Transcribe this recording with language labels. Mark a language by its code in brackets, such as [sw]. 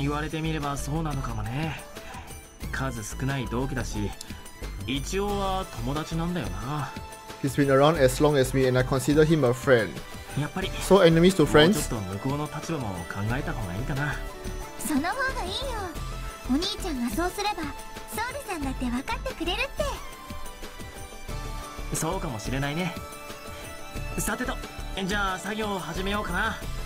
[ja] 言われてみればそうなのかもね。数少ない同期だし、一応は友達なんだよな。 [en] He's been around as long as me and I consider him a friend. [ja] やっぱり、 [en] so enemies to friends? [ja] もうちょっと向こうの立場も考えた方がいいかな。その方がいいよ。お兄ちゃんがそうすればソウルさんだって分かってくれるって。そうかもしれないね。さてと、じゃあ作業を始めようかな。